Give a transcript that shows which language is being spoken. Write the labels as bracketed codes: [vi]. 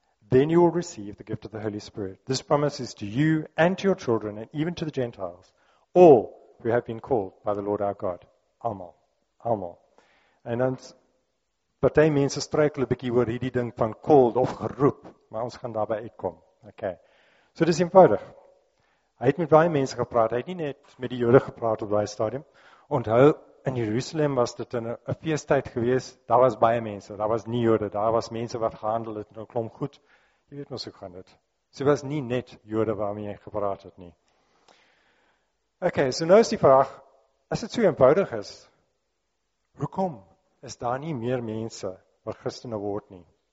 [en] Then you will receive the gift of the Holy Spirit. This promise is to you and to your children and even to the Gentiles, all who have been called by the Lord our God. [af] Almal. En dan, partij mense struikel een bietjie oor hierdie ding van called of geroep, maar ons gaan daarby uitkom. Okay. So dit is eenvoudig. Hy het met baie mense gepraat, hy het nie net met die Jode gepraat op baie stadium. Onthou, in Jerusalem was dit een feesttijd geweest, daar was baie mense, daar was nie Jode, daar was mense wat gehandel het, en dan klom goed, jy weet ons hoe gaan dit. So was nie net Jode waarmee hy gepraat het nie. Okay, so nou is die vraag, as dit so eenvoudig is, hoekom is daar nie meer mense wat Christene word nie?